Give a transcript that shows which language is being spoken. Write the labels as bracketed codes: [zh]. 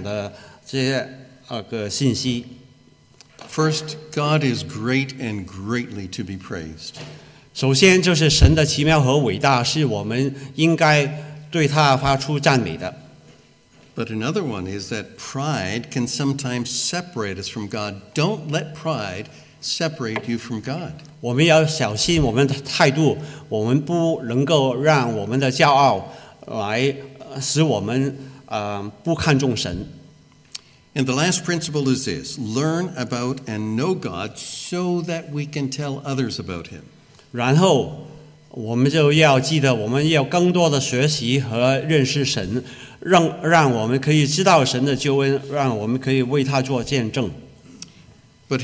[zh] 我希望再一起的跟你们重温我今天所传讲的这个信息。 [en] First, God is great and greatly to be praised. [zh] 首先就是神的奇妙和伟大，是我们应该 [en] But another one is that pride can sometimes separate us from God. Don't let pride separate you from God. [zh] 我们要小心我们的态度，我们不能够让我们的骄傲来使我们不看重神。 [en] And the last principle is this, learn about and know God so that we can tell others about him. [zh] 然后 我们就要记得，我们要更多的学习和认识神，让我们可以知道神的救恩，让我们可以为他做见证。 [en] But